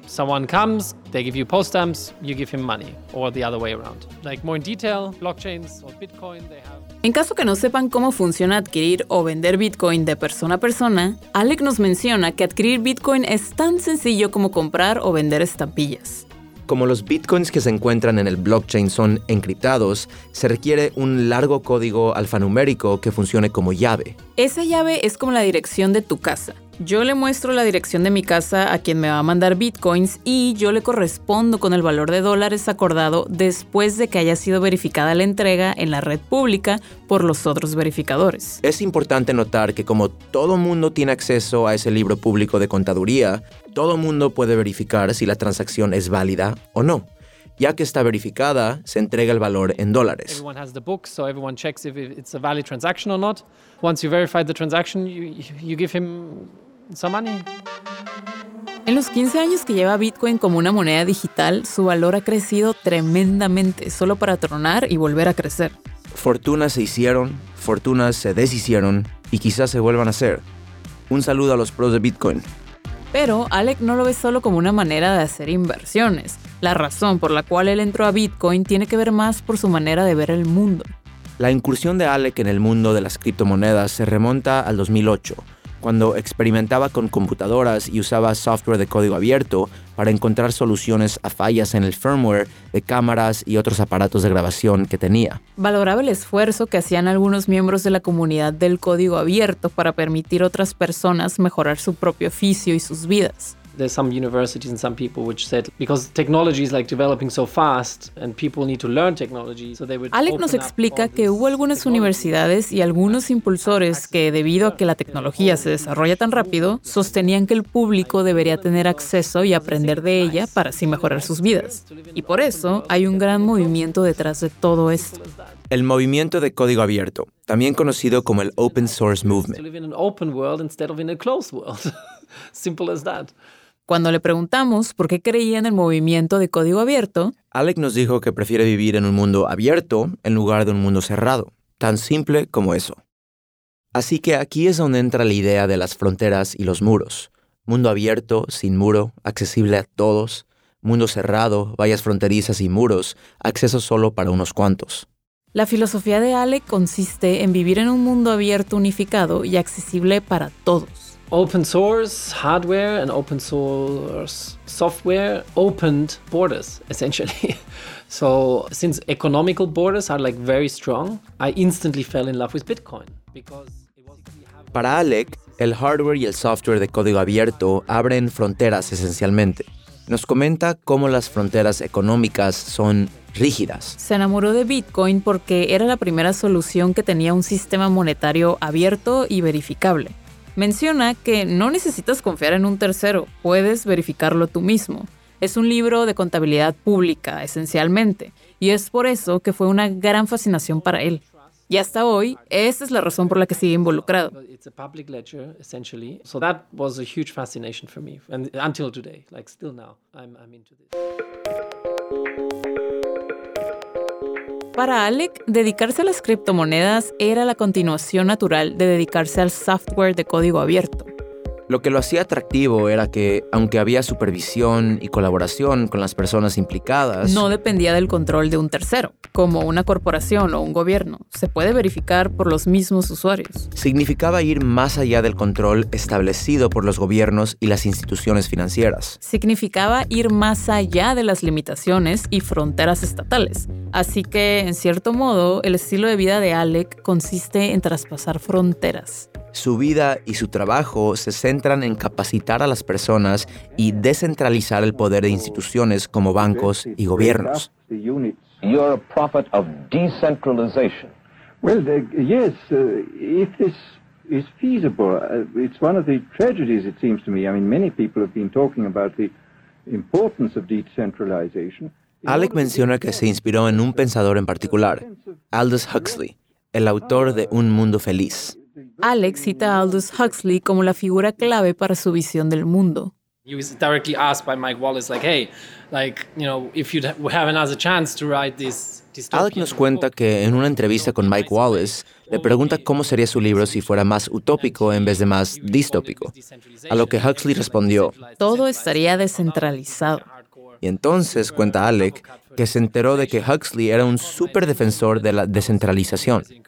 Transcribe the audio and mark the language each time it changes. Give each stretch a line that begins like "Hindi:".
English: Someone comes, they give you post stamps, you give him money, or the other way around. Like more in detail, blockchains or Bitcoin, they have.
Spanish: En caso que no sepan cómo funciona adquirir o vender Bitcoin de persona a persona, Alec nos menciona que adquirir Bitcoin es tan sencillo como comprar o vender estampillas. Como los Bitcoins que se encuentran en el blockchain son encriptados, se requiere un largo código alfanumérico que funcione como llave. Esa llave es como la dirección de tu casa. Yo le muestro la dirección de mi casa a quien me va a mandar Bitcoins y yo le correspondo con el valor de dólares acordado después de que haya sido verificada la entrega en la red pública por los otros verificadores. Es importante notar que como todo mundo tiene acceso a ese libro público de contaduría, todo mundo puede verificar si la transacción es válida o no. Ya que está verificada, se entrega el valor en dólares. Everyone has the book, so everyone checks if it's a valid transaction or not. Once you verify the transaction, you give him some money. En los 15 años que lleva Bitcoin como una moneda digital, su valor ha crecido tremendamente, solo para tronar y volver a crecer. Fortunas se hicieron, fortunas se deshicieron y quizás se vuelvan a hacer. Un saludo a los pros de Bitcoin. Pero Alec no lo ve solo como una manera de hacer inversiones. La razón por la cual él entró a Bitcoin tiene que ver más por su manera de ver el mundo. La incursión de Alec en el mundo de las criptomonedas se remonta al 2008, cuando experimentaba con computadoras y usaba software de código abierto para encontrar soluciones a fallas en el firmware de cámaras y otros aparatos de grabación que tenía. Valoraba el esfuerzo que hacían algunos miembros de la comunidad del código abierto para permitir a otras personas mejorar su propio oficio y sus vidas.
English: There's some universities and some people which said because technology is like developing so fast and people need to learn technology, so they would.
Spanish: Alec nos explica que hubo algunas universidades y algunos impulsores que, debido a que la tecnología se desarrolla tan rápido, sostenían que el público debería tener acceso y aprender de ella para así mejorar sus vidas. Y por eso hay un gran movimiento detrás de todo esto. El movimiento de código abierto, también conocido como el
English: open source movement. To live in an open world instead of in a closed world. Simple as that.
Spanish: Cuando le preguntamos por qué creía en el movimiento de código abierto, Alec nos dijo que prefiere vivir en un mundo abierto en lugar de un mundo cerrado. Tan simple como eso. Así que aquí es donde entra la idea de las fronteras y los muros. Mundo abierto, sin muro, accesible a todos. Mundo cerrado, vallas fronterizas y muros, acceso solo para unos cuantos. La filosofía de Alec consiste en vivir en un mundo abierto, unificado y accesible para todos.
English: Open source hardware and open source software opened borders, essentially. So, since economical borders are like very strong, I instantly fell in love with Bitcoin because it was.
Spanish: Para Alec, el hardware y el software de código abierto abren fronteras esencialmente. Nos comenta cómo las fronteras económicas son rígidas. Se enamoró de Bitcoin porque era la primera solución que tenía un sistema monetario abierto y verificable. Menciona que no necesitas confiar en un tercero, puedes verificarlo tú mismo. Es un libro de contabilidad pública, esencialmente, y es por eso que fue una gran fascinación para él. Y hasta hoy, esa es la razón por la que sigue involucrado.
English: It's a public ledger, essentially. So that was a huge fascination for me, and until today, like still now, I'm into this.
Spanish: Para Alec, dedicarse a las criptomonedas era la continuación natural de dedicarse al software de código abierto. Lo que lo hacía atractivo era que, aunque había supervisión y colaboración con las personas implicadas, no dependía del control de un tercero, como una corporación o un gobierno. Se puede verificar por los mismos usuarios. Significaba ir más allá del control establecido por los gobiernos y las instituciones financieras. Significaba ir más allá de las limitaciones y fronteras estatales. Así que, en cierto modo, el estilo de vida de Alec consiste en traspasar fronteras. Su vida y su trabajo se centran en capacitar a las personas y descentralizar el poder de instituciones como bancos y gobiernos.
English: You're a prophet of decentralization. Well, yes, if this is feasible, it's one of the tragedies, it seems to me. I mean, many people have been talking about the importance of decentralization.
Spanish: Alec menciona que se inspiró en un pensador en particular, Aldous Huxley, el autor de Un Mundo Feliz. Alec cita a Aldous Huxley como la figura clave para su visión del mundo.
English: He was directly asked by Mike Wallace, like, hey, like, you know, if you'd have another chance to write this dystopian.
Spanish: Alec nos cuenta que en una entrevista con Mike Wallace le pregunta cómo sería su libro si fuera más utópico en vez de más distópico. A lo que Huxley respondió, todo estaría descentralizado. Y entonces cuenta Alec que se enteró de que Huxley era un súper defensor de la descentralización.